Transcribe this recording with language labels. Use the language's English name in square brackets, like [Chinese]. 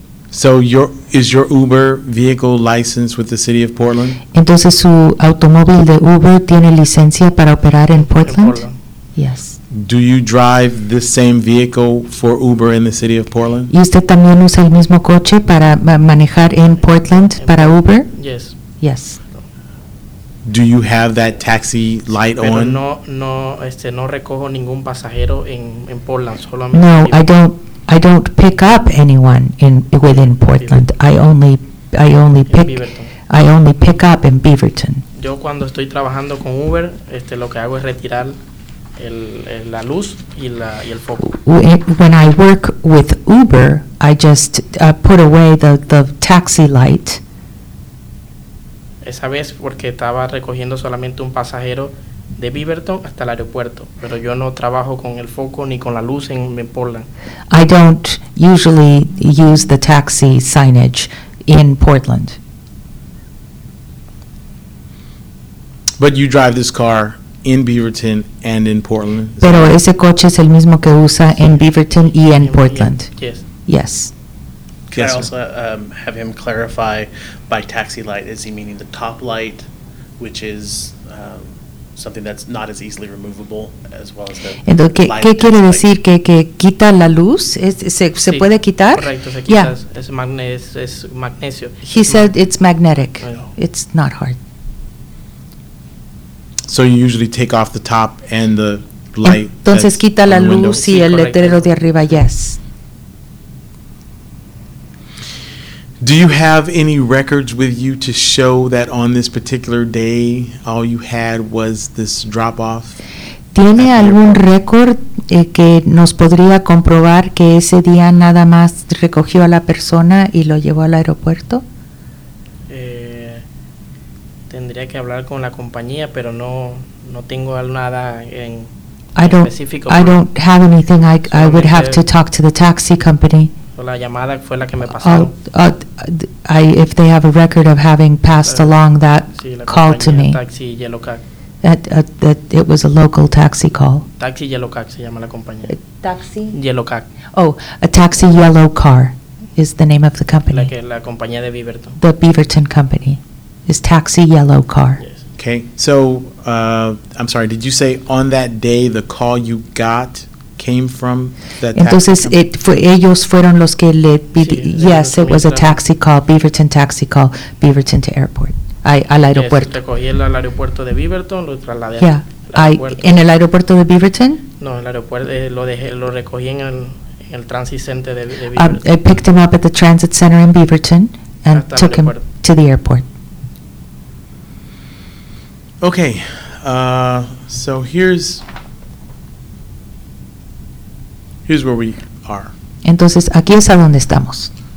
[English] So is your Uber vehicle licensed with the city of Portland? [Spanish] Entonces su automóvil de Uber tiene licencia para operar en Portland? [English] Yes. Do you drive the same vehicle for Uber in the city of Portland? [Spanish] ¿Y usted también usa el mismo coche para manejar en Portland para Uber? [English] Yes. Yes. Do you have that taxi light [Spanish] pero [English] on? [Spanish] No recojo ningún pasajero en Portland, solamente. [English] No, I don't pick up anyone within Portland. I only pick up in Beaverton. [Spanish] Yo cuando estoy trabajando con Uber, lo que hago es retirar la luz y el foco. [English] When I work with Uber, I just put away the taxi light. [Spanish] Esa vez porque estaba recogiendo solamente un pasajero de Beaverton hasta el aeropuerto, pero yo no trabajo con el foco ni con la luz en Portland. [English] I don't usually use the taxi signage in Portland. But you drive this car in Beaverton and in Portland. [Spanish] Pero ese coche es el mismo que usa en Beaverton y en Portland. [English] Yes. Yes. Can yes, I also have him clarify by taxi light, is he meaning the top light, which is something that's not as easily removable, as well as the [Spanish] entonces, [English] light? [Spanish] ¿Qué quiere decir? ¿Que quita la luz? ¿Se sí, puede quitar? Correcto, se quita. [English] Yeah. [Spanish] Es magnesio. [English] He said it's magnetic. It's not hard. So you usually take off the top and the light. [Spanish] Entonces quita la luz y el letrero de arriba, [English] yes. Do you have any records with you to show that on this particular day all you had was this drop-off? [Spanish] ¿Tiene algún récord que nos podría comprobar que ese día nada más recogió a la persona y lo llevó al aeropuerto? Tendría que hablar con la compañía, pero no tengo nada en específico. [English] I don't have anything. I would have to talk to the taxi company. [Spanish] La llamada fue la que me pasaron. [English] If they have a record of having passed along that [Spanish] sí, [English] call to me. Taxi Yellow Cab. That it was a local taxi call. [Spanish] Taxi Yellow Cab se llama la compañía. [English] Taxi Yellow Cab. Oh, a taxi yellow car is the name of the company. [Spanish] La compañía de Beaverton. [English] The Beaverton company is Taxi Yellow Car. Yes. Okay. So, I'm sorry. Did you say on that day the call you got came from that [Spanish] entonces [English] taxi [Spanish] ellos fueron los que le pidieron. Sí, [English] yes, it was a taxi call, Beaverton taxi call, Beaverton to airport, [Spanish] al aeropuerto. Yes, recogí al aeropuerto de Beaverton, lo trasladé [English] yeah, [Spanish] al aeropuerto. ¿En el aeropuerto de Beaverton? No, el aeropuerto lo recogí en el [English] transit center [Spanish] de Beaverton. [English] I picked him up at the transit center in Beaverton and took him to the airport. Okay, so here's here's where we are. [Spanish] Entonces, aquí es a donde estamos.